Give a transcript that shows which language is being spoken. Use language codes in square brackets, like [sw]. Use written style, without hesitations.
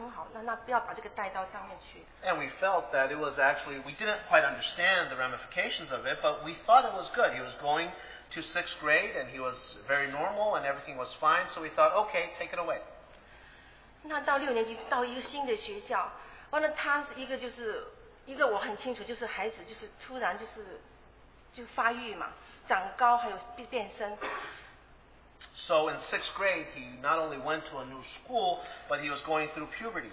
[zh] 那我们觉得很好啊，看到孩子也真的很好，那我们就也没有想，我们不懂，我们就说OK拿掉。我觉得到因为六年级他到新学校嘛，我觉得他很好，那不要把这个带到上面去。 [en] And we felt that it was actually we didn't quite understand the ramifications of it, but we thought it was good. He was going to sixth grade, and he was very normal, and everything was fine. So we thought, okay, take it away. [zh] 那到六年级到一个新的学校。完了，他是一个就是一个我很清楚，就是孩子就是突然就是就发育嘛，长高还有变身。 [en] So in sixth grade, he not only went to a new school, but he was going through puberty.